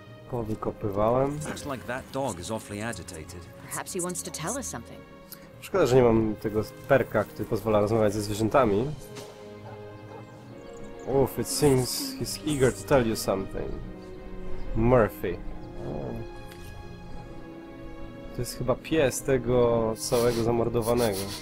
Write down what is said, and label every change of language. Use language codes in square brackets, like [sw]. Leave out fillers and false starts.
[pl] ko wykopywałem. [en] Looks like that dog is awfully agitated. Perhaps he wants to tell us something. [pl] Szkoda, że nie mam tego perka, który pozwala rozmawiać ze zwierzętami. [en] Oof, it seems he's eager to tell you something. Murphy. [pl] To jest chyba pies tego całego zamordowanego.